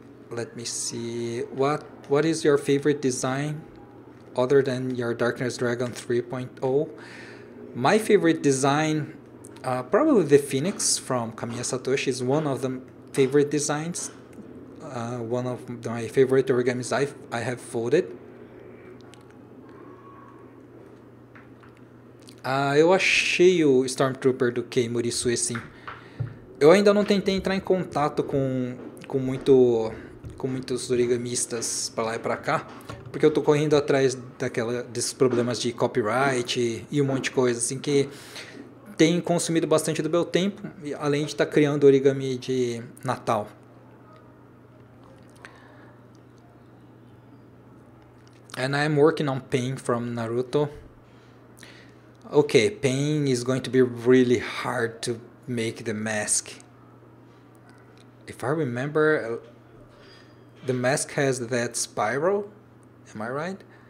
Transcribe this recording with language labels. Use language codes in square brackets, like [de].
[en] Let me see. What is your favorite design other than your Darkness Dragon 3.0? My favorite design, probably the Phoenix from Kamiya Satoshi, is one of the favorite designs. One of my favorite origamis I have folded. [pt] Eu achei o Stormtrooper do Kei Murisui, sim. Eu ainda não tentei entrar em contato com muitos origamistas para lá e para cá, porque eu tô correndo atrás desses problemas de copyright e um monte de coisa, assim, que tem consumido bastante do meu tempo, além de estar criando origami de Natal. [en] And I'm working on Pain from Naruto. Okay, Pain is going to be really hard to make the mask. If I remember, the mask has that spiral, am I right?